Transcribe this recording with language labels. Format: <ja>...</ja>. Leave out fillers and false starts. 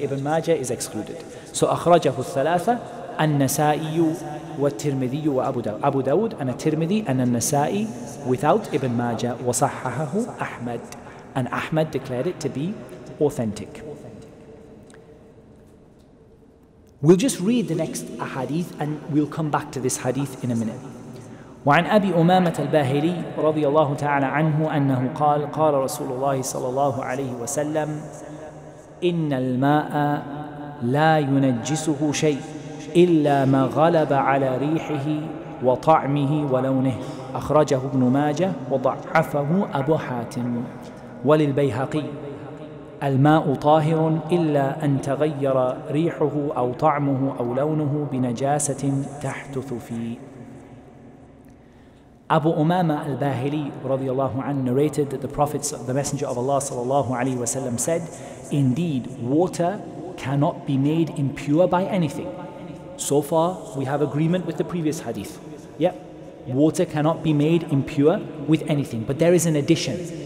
<en>Ibn Majah is excluded. So akhrajahu al-Thalatha, An-Nasa'iyu wa Tirmidhiyu wa Abu Dawud and At-Tirmidhi and An-Nasa'i without Ibn Majah wa sahahahu Ahmad, and Ahmad declared it to be authentic. We'll just read the next hadith and we'll come back to this hadith in a minute.</en> <ar>وعن أبي أمامة الباهلي رضي الله تعالى عنه أنه قال قال رسول الله صلى الله عليه وسلم إن الماء لا ينجسه شيء إلا ما غلب على ريحه وطعمه ولونه أخرجه ابن ماجه وضعفه أبو حاتم وللبيهقي الماء طاهر إلا أن تغير ريحه أو طعمه أو لونه بنجاسة تحدث فيه.</ar> <en>Abu Umama al-Bahili radiyallahu anhu narrated that the Prophet, the Messenger of Allah sallallahu alayhi wa sallam said, indeed, water cannot be made impure by anything. So far, we have agreement with the previous hadith. Yep, water cannot be made impure with anything. But there is an addition.</en>